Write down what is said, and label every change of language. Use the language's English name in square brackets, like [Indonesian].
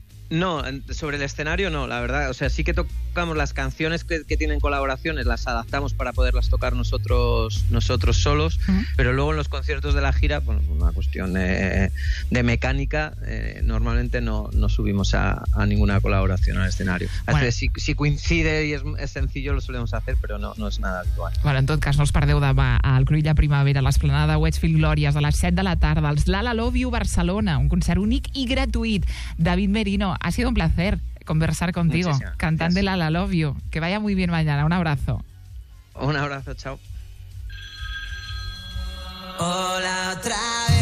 [Spanish] No, sobre el escenario no, la verdad. O sea, sí que tocamos las canciones que tienen colaboraciones, las adaptamos para poderlas tocar nosotros solos, pero luego en los conciertos de la gira, por bueno, una cuestión de mecánica, normalmente no subimos a ninguna colaboración al escenario. Bueno. Así que si coincide y es sencillo, lo solemos hacer, pero no es nada habitual. [Catalan] Bueno, en tot cas, no es per deuda, va al Cruïlla Primavera, a l'esplanada Westfield Glòries, a les 7 de la tarda, als La La Love You Barcelona, un concert únic i gratuït. [Spanish] David Merino, ha sido un placer conversar contigo. Muchísimas. Cantando gracias. La La Love You. Que vaya muy bien mañana. Un abrazo. Un abrazo, chao. Hola, otra vez.